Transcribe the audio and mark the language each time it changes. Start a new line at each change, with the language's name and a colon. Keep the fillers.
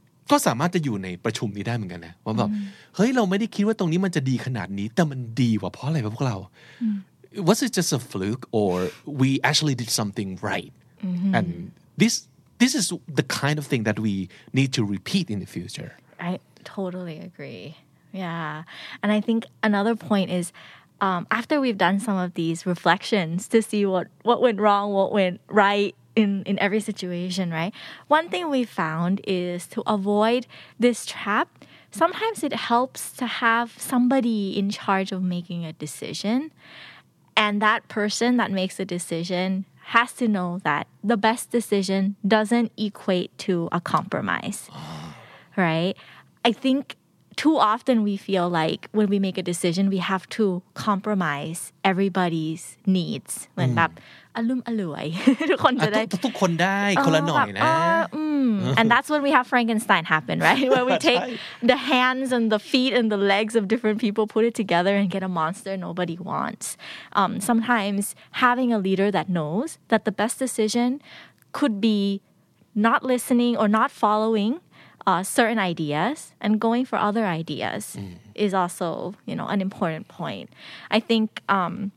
Thai: ก็สามารถจะอยู่ในประชุมนี้ได้เหมือนกันนะว่าแบบเฮ้ยเราไม่ได้คิดว่าตรงนี้มันจะดีขนาดนี้ แต่มันดีว่ะเพราะอะไรวะพวกเรา
English: was it just a fluke or we actually did something right and this this is the kind of thing that we need to repeat in the future I totally agree. Yeah. And I think another point is um, after we've done some of these reflections to see what, what went wrong, what went right in, in every situation, right? One thing we found is to avoid this trap. Sometimes it helps to have somebody in charge of making a decision and that person that makes a decision has to know that the best decision doesn't equate to a compromise. Right? I think too often we feel like when we make a decision, we have to compromise everybody's needs.
Thai: เหมือนแบบอารมณ์อร่วย ทุกคน อ่ะ จะได้ ทุกทุกคนได้คนละหน่อยนะ
English: เแบบเอออืม and that's when we have Frankenstein happen right where we take
Thai: ใช่
English: the hands and the feet and the legs of different people put it together and get a monster nobody wants um, sometimes having a leader that knows that the best decision could be not listening or not following uh, certain ideas and going for other ideas is also you know an important point i think um,